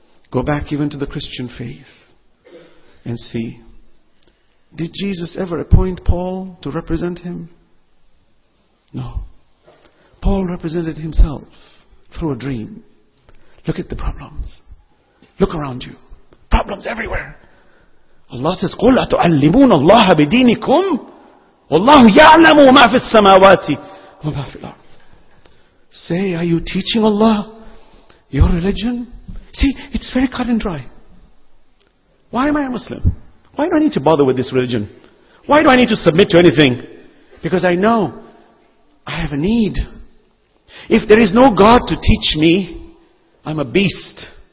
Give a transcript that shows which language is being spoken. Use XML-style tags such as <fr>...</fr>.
<en>Go back even to the Christian faith and see, did Jesus ever appoint Paul to represent him? No. Paul represented himself through a dream. Look at the problems. Look around you. Problems everywhere. Allah says,</en> <ar>قُلْ أَتُعَلِّمُونَ اللَّهَ بِدِينِكُمْ وَاللَّهُ يَعْلَمُ مَا فِي السَّمَاوَاتِ وَمَا فِي الْأَرْضِ.</ar> <en>Say, are you teaching Allah your religion? See, it's very cut and dry. Why am I a Muslim? Why do I need to bother with this religion? Why do I need to submit to anything? Because I know I have a need. If there is no God to teach me, I'm a beast.</en>